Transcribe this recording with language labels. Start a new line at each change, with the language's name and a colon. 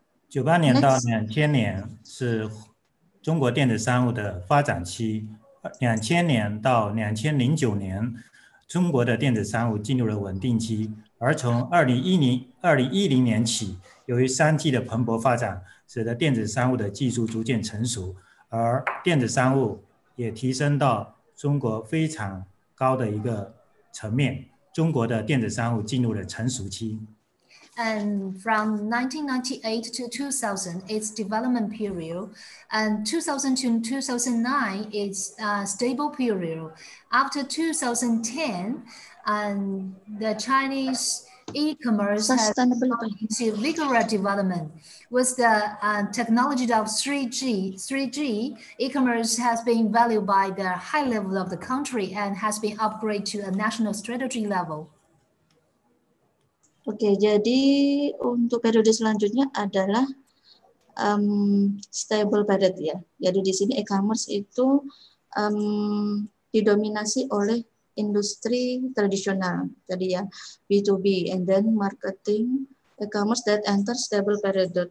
Chinese: 98年到2000年是 中国电子商务的发展期， 2000年到2009年， 中国的电子商务进入了稳定期， 而从2010年起， 由于3G的蓬勃发展， 使得电子商务的技术逐渐成熟， 而电子商务也提升到中国非常高的一个层面， 中国的电子商务进入了成熟期。
English: And from 1998 to 2000, its development period, and 2000 to 2009, its stable period. After 2010, and the Chinese e-commerce has gone into vigorous development. With the technology of 3G, e-commerce has been valued by the high level of the country and has been upgraded to a national strategy level.
Indonesian: Oke, jadi untuk periode selanjutnya adalah stable period ya. Jadi di sini e-commerce itu didominasi oleh industri tradisional tadi ya,
English: B2B and then marketing e-commerce that enter stable period.